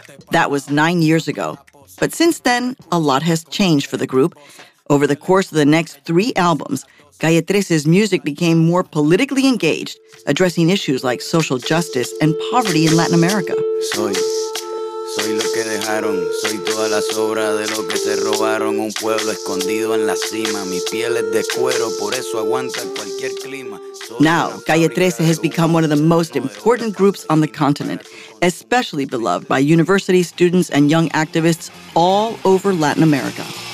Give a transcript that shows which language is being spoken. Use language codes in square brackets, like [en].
[en] That was 9 years ago. But since then, a lot has changed for the group. Over the course of the next 3 albums, Calle 13's music became more politically engaged, addressing issues like social justice and poverty in Latin America. [es] Soy lo que dejaron, soy toda la sobra de lo que se robaron, un pueblo escondido en la cima, mi piel es de cuero, por eso aguanta cualquier clima. [en] Now, Calle 13 has become one of the most important groups on the continent, especially beloved by university students and young activists all over Latin America.